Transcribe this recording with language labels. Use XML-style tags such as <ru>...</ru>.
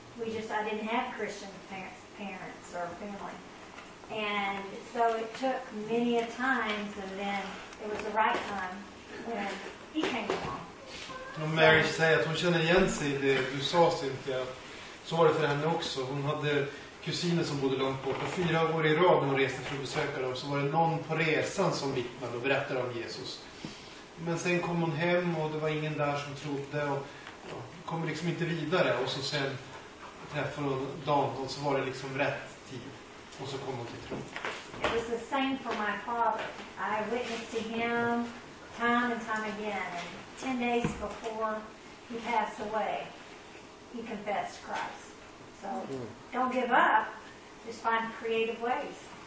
<en>I didn't have Christian parents or family. And so it took many a times, and then it was the right time when he came along. Well, Mary said that she knew again what you saw, Cynthia. So was it for her also. She had</en> <sv>kusiner som bodde långt bort, och 4 år i rad hon reste för att besöka dem, så var det någon på resan som vittnade och berättade om Jesus. Men sen kom hon hem och det var ingen där som trodde, och ja, kom liksom inte vidare. Och så sen träffade hon Danton, så var det liksom rätt tid, och så kom hon till tro.</sv> <en>It was the same for my father. I witnessed to him time and time again, and 10 days before he passed away he confessed Christ. So don't give up. Just find creative ways.</en>